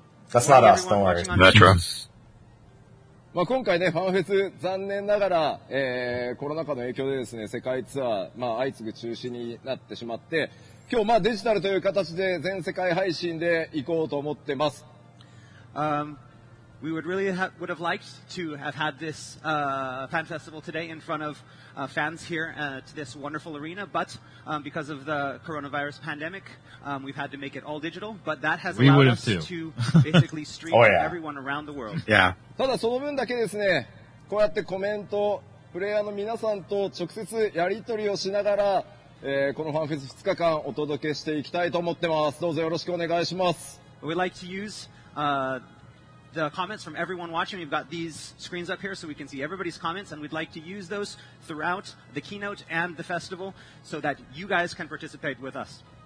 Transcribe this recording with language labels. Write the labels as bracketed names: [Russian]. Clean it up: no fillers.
[English] That's not us. Don't worry. Metro. [Japanese] まあ今回ねファンフェス残念ながら、コロナ禍の影響でですね世界ツアーまあ相次ぐ中止になってしまって今日まあデジタルという形で全世界配信で行こうと思ってます。 [English] We would really would have liked to have had this fan festival today in front of fans here at this wonderful arena, but because of the coronavirus pandemic, we've had to make it all digital, but that has allowed us to basically stream oh, yeah. everyone around the world. Yeah. [Japanese] ただその分だけですね、こうやってコメント、プレイヤーの皆さんと直接やり取りをしながら、このファンフェス2日間お届けしていきたいと思ってます。どうぞよろしくお願いします。 [English] We'd like to use... The comments from everyone watching, we've got these screens up here so we can see everybody's comments and we'd like to use those throughout the keynote and the festival so that you guys can participate with us.